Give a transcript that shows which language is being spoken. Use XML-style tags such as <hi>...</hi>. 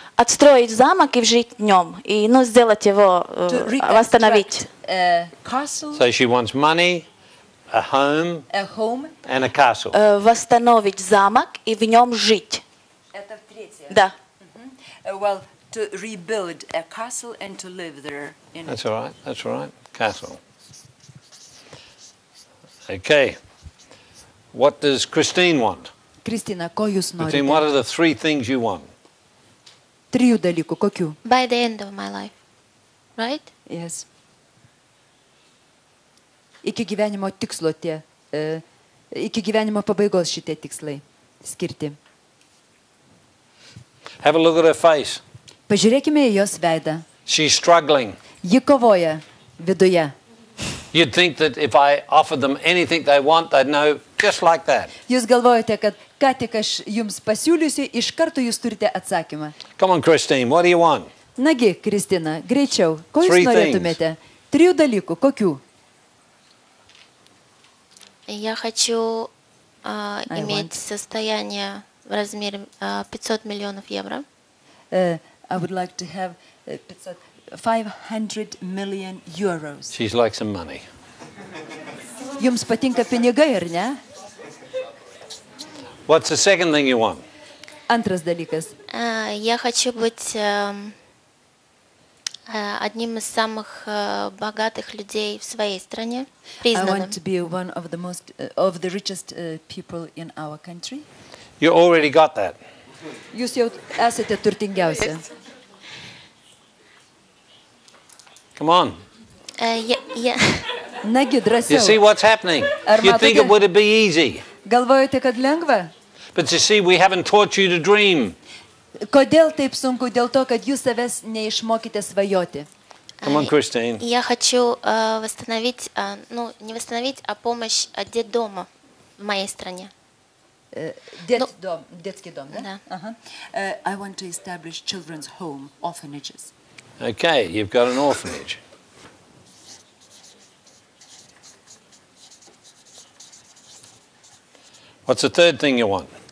<ru>Отстроить замок и жить в нем. И, ну, сделать его, восстановить.</ru> <en>Castle, so she wants money, a home, and a castle.</en> <ru>Восстановить замок и в нем жить. Да.</ru> <en>Well, to rebuild a castle and to live there in That's all right. That's all right. Castle. Okay. What does Christine want?</en> <lt>Kristina, ko jūs norite?</lt> <en>Christine, what are the three things you want?</en> <lt>Trijų dalykų, kokių?</lt> <en>By the end of my life. Right? Yes.</en> <lt>Iki gyvenimo tikslo tie iki gyvenimo pabaigos šitie tikslai skirti.</lt> <en>Have a look at her face.</en> <lt>Pažiūrėkime į jos veidą.</lt> <en>She's struggling.</en> <lt>Ji kovoja viduje.</lt> <en>You'd think that if I offered them anything they want, they'd know just like that.</en> <lt>Jūs galvojate, kad ką tik aš jums pasiūlysiu, iš karto jūs turite atsakymą.</lt> <en>Come on, Christine, what do you want?</en> <lt>Nagi, Kristina, greičiau, ko jūs norėtumėte? Trijų dalykų, kokių?</lt> <ru>Я хочу иметь состояние в размере 500 миллионов евро.</ru> <en>I would like to have 500 million euros. She's like some money.</en> <lt>Jums patinka pinigai, ar ne?</lt> <en>What's the second thing you want?</en> <lt>Antras dalykas.</lt> <ru>Я хочу быть одним из самых богатых людей в своей стране, признанным.</ru> <en>I want to be one of the most of the richest people in our country. You already got that.</en> <lt>Jūs jau esate turtingiausi.</lt> <en>Come on. Yeah.</en> <lt>Nagi, drąsiau.</lt> <en>You see what's happening? You think it would be easy?</en> <lt>Galvojate, kad lengva?</lt> <en>But you see, we haven't taught you to dream.</en> <lt>Kodėl taip sunku? Dėl to, kad jūs savęs neišmokite svajoti.</lt> <en>Come on, Christine.</en> <ru>Я хочу восстановить, ну, не восстановить, а помощь от детдома в моей стране. Детский дом, да? Да.</ru> <en>I want to establish children's home, orphanages. Okay, you've got an orphanage. What's the third thing you want?</en>